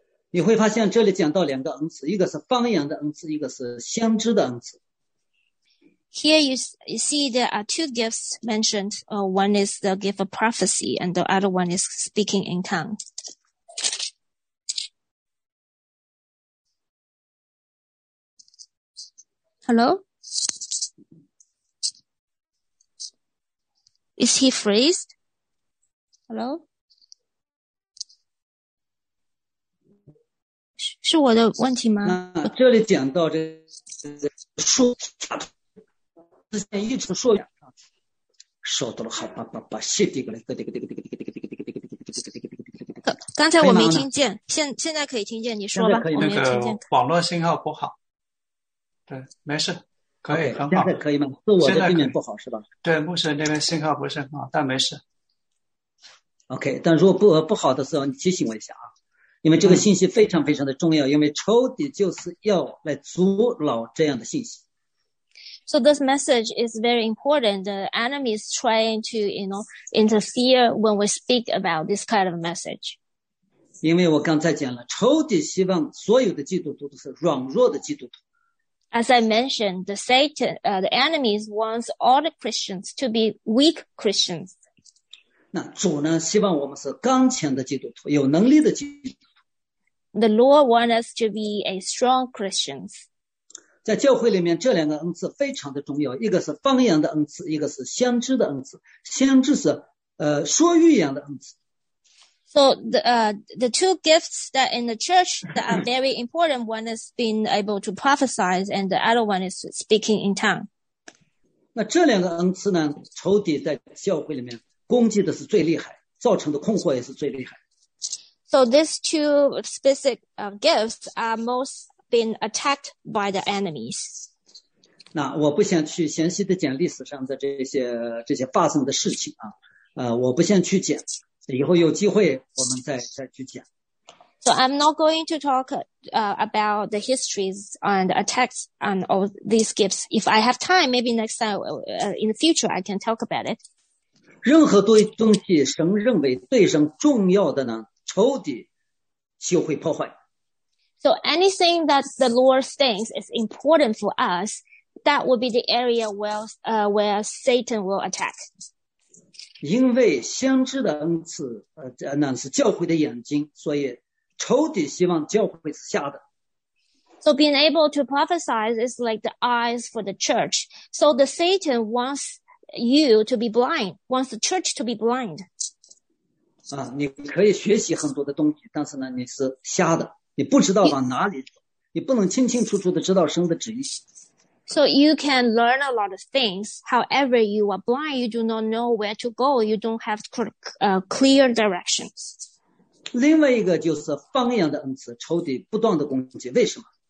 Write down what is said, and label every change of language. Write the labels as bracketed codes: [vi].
[zh] 你会发现这里讲到两个恩赐，一个是方言的恩赐，一个是先知的恩赐。 [en] Here you see there are two gifts mentioned. One is the gift of prophecy, and the other one is speaking in tongues. Hello? Is he freezed? Hello? [zh] 是我的问题吗？这里讲到这说之前一直说说到了好吧吧吧谢这个了这个这个这个这个这个这个这个这个这个这个这个这个这个刚才我没听见，现在可以听见，你说吧，我没听见。网络信号不好。对，没事，可以， [en] okay, [zh] 很好。现在可以吗？是我的地面不好是吧？对，牧师那边信号不是很好，但没事。 OK， 但如果不好的时候，你提醒我一下啊，因为这个信息非常非常的重要，因为仇敌就是要来阻挠这样的信息。 [en] So this message is very important. The enemy is trying to, interfere when we speak about this kind of message. [zh] 因为我刚才讲了，仇敌希望所有的基督徒都是软弱的基督徒。 [en] As I mentioned, the enemies wants all the Christians to be weak Christians. [zh] 那主呢，希望我们是刚强的基督徒，有能力的基督徒。 [en] The Lord wants us to be a strong Christians. [zh] 在教会里面，这两个恩赐非常的重要，一个是方言的恩赐，一个是先知的恩赐。先知是说预言的恩赐。 [en] So the two gifts that in the church that are very important, one is being able to prophesy, and the other one is speaking in tongue. [zh] 那这两个恩赐呢？仇敌在教会里面攻击的是最厉害，造成的困惑也是最厉害。 [en] So these two specific gifts are most being attacked by the enemies. [zh] 那我不想去详细的讲历史上的这些发生的事情啊，我不想去讲。以后有机会我们再去讲。 [en] So I'm not going to talk about the histories and attacks on all these gifts. If I have time, maybe next time, in the future, I can talk about it. [zh] 任何东西神认为对神重要的呢，仇敌就会破坏。 [en] So anything that the Lord thinks is important for us, that would be the area where Satan will attack. [zh] 因为先知的恩赐那是教会的眼睛，所以仇敌希望教会是瞎的。 [en] So being able to prophesy is like the eyes for the church. So the Satan wants you to be blind, wants the church to be blind. [zh] 啊，你可以学习很多的东西，但是呢你是瞎的，你不知道往哪里走，你不能清清楚楚的知道神的旨意。 [en] So you can learn a lot of things. However, you are blind. You do not know where to go. You don't have clear directions. [zh] 另外一个就是方言的恩赐，仇敌不断的攻击，为什么？